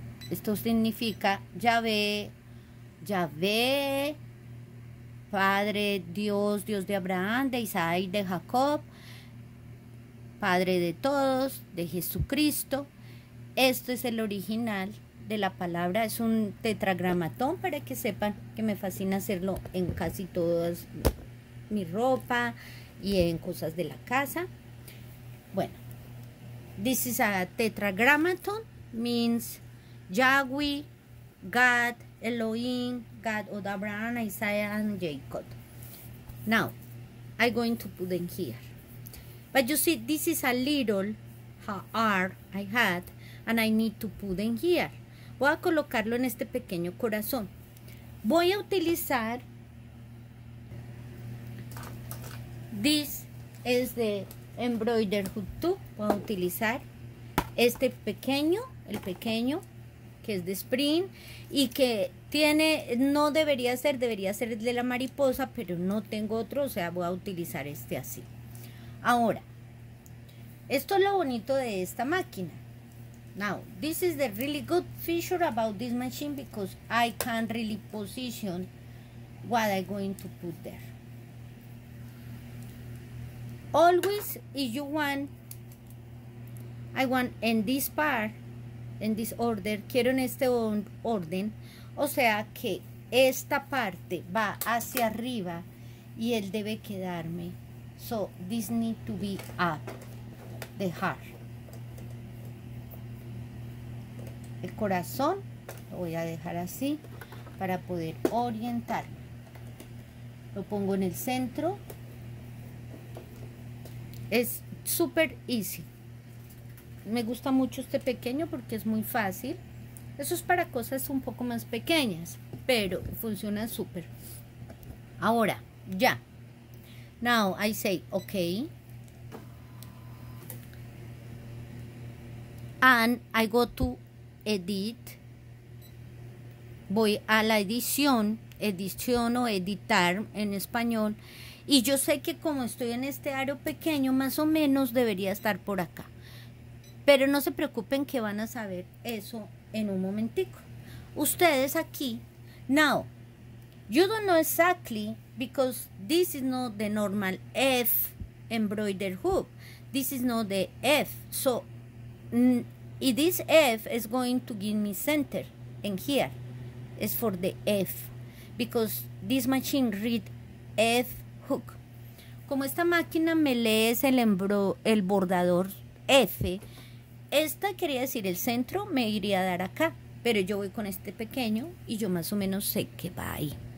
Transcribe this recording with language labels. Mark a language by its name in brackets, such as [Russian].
[Spanish] Esto significa Yahvé, Yahvé, Padre, Dios, Dios de Abraham, de Isaac, de Jacob, Padre de todos, de Jesucristo. Esto es el original de la palabra, es un tetragramatón para que sepan que me fascina hacerlo en casi todas mi ropa y en cosas de la casa. Bueno, [English] this is a tetragramatón, means Yahweh, God, Elohim, God of Abraham, Isaiah, and Jacob. Now, I'm going to put them here. But you see, this is a little heart I had, and I need to put them here. [Spanish] Voy a colocarlo en este pequeño corazón. Voy a utilizar. [English] This is the embroidered hook too. [Spanish] Voy a utilizar este pequeño, el pequeño, que es de spring y que tiene, no debería ser, debería ser el de la mariposa, pero no tengo otro, o sea, voy a utilizar este así. Ahora, esto es lo bonito de esta máquina. [English] Now, this is the really good feature about this machine because I can't really position what I'm going to put there. Always, if you want, I want in this part, in this order, [Spanish] quiero en este orden, o sea que esta parte va hacia arriba y él debe quedarme. [English] So, this need to be up, the heart. [Spanish] El corazón lo voy a dejar así para poder orientarlo. Lo pongo en el centro. Es súper easy. Me gusta mucho este pequeño porque es muy fácil. Eso es para cosas un poco más pequeñas, pero funciona súper. Ahora, ya. [English] Now I say, ok. And I go to Edit, [Spanish] voy a la edición, edición o editar en español, y yo sé que como estoy en este aro pequeño, más o menos debería estar por acá, pero no se preocupen que van a saber eso en un momentico. Ustedes aquí, [English] now, you don't know exactly because this is not the normal F embroidered hook, this is not the F, so. Y this F is going to give me center in here. It's for the F. Because this machine read F hook. [Spanish] como esta máquina me lee el bordador F, esta quería decir el centro, me iría a dar acá, pero yo voy con este pequeño y yo más o menos sé que va ahí.